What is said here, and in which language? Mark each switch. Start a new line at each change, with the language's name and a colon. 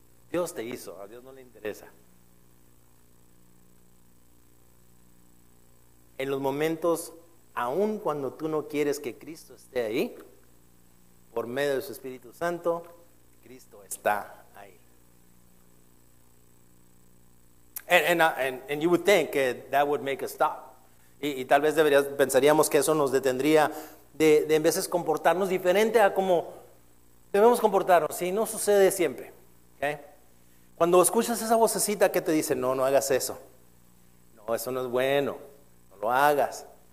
Spanish: Dios te hizo, a Dios no le interesa. En los momentos, aun cuando tú no quieres que Cristo esté ahí, por medio de su Espíritu Santo, Cristo está ahí.
English: And you would think that would make us stop.
Spanish: Y tal vez pensaríamos que eso nos detendría de en veces comportarnos diferente a como debemos comportarnos. Y no sucede siempre. ¿Okay? Cuando escuchas esa vocecita que te dice, no hagas eso. No, eso no es bueno. No lo hagas.